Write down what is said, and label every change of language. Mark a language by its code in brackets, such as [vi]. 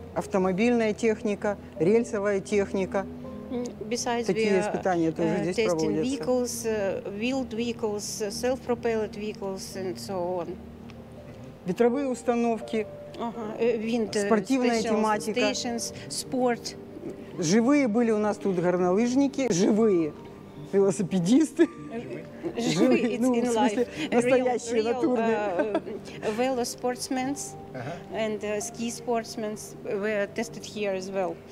[ru] Автомобильная техника, рельсовая техника. [en] Besides, [ru] такие испытания тоже здесь проводятся. [en] Vehicles, wheeled vehicles, self-propelled vehicles and so on. [ru] Ветровые установки, спортивная тематика. [en] Stations, sport. [ru] Живые были у нас тут горнолыжники, живые велосипедисты. Настоящие, натурные. [en] Velo sportsmen and ski sportsmen were tested here as well.